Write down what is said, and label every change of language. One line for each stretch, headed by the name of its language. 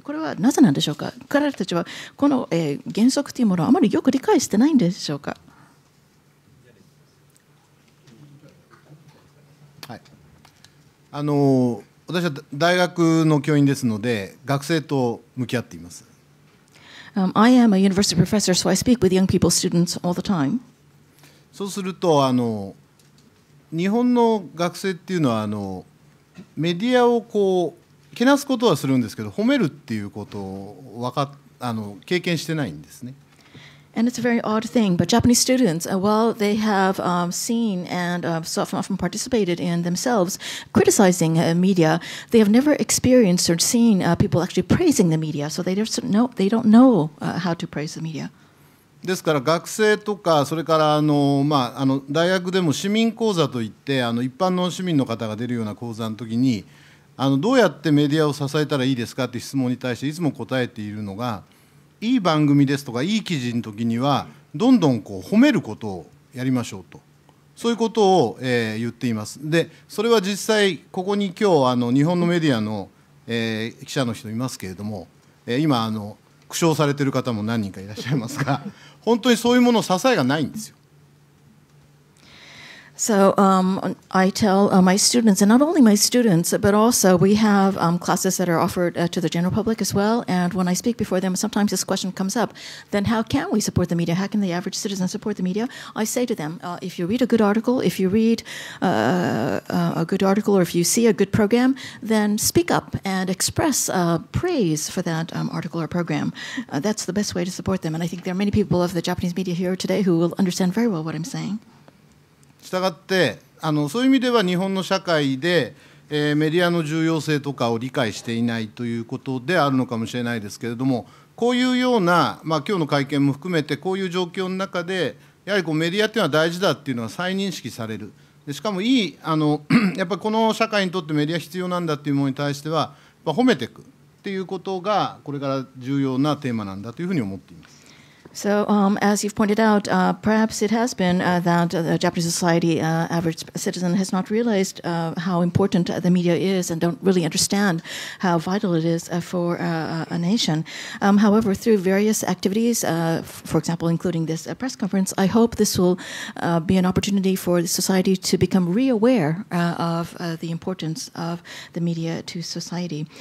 Japanese: これはなぜなんでしょうか。彼らたちはこの、原則というものをあまりよく理解してないんでしょうか。はい、私は大学の教員ですので、学生と向き合っています。
English: I am a university professor, so I speak with young people, students all the time.
Japanese: そうすると、日本の学生っていうのは、メディアをこうけなすことはするんですけど、褒めるっていうことを経験してないんですね。
English: And it's a very odd thing, but Japanese students, while they have seen and often participated in themselves criticizing media, they have never experienced or seen people actually praising the media. So they don't know how to praise the media.
Japanese: ですから学生とかそれから大学でも市民講座といって一般の市民の方が出るような講座の時にどうやってメディアを支えたらいいですかって質問に対していつも答えているのが。いい番組ですとかいい記事の時にはどんどんこう褒めることをやりましょうとそういうことを言っています。でそれは実際ここに今日日本のメディアの記者の人いますけれども今苦笑されている方も何人かいらっしゃいますが本当にそういうもの支えがないんですよ。
English: So I tell my students, and not only my students, but also we have classes that are offered to the general public as well. And when I speak before them, sometimes this question comes up. Then how can we support the media? How can the average citizen support the media? I say to them, if you read a good article, if you read a good article, or if you see a good program, then speak up and express praise for that article or program. That's the best way to support them. And I think there are many people of the Japanese media here today who will understand very well what I'm saying.
Japanese: したがってそういう意味では日本の社会で、メディアの重要性とかを理解していないということであるのかもしれないですけれどもこういうような、今日の会見も含めてこういう状況の中でやはりこうメディアっていうのは大事だっていうのは再認識されるでしかもいいやっぱりこの社会にとってメディア必要なんだっていうものに対しては褒めていくっていうことがこれから重要なテーマなんだというふうに思っています。
English: So, as you've pointed out, perhaps it has been that the Japanese society, average citizen, has not realized how important the media is and don't really understand how vital it is for a nation. However, through various activities, for example, including this press conference, I hope this will be an opportunity for the society to become reaware of the importance of the media to society.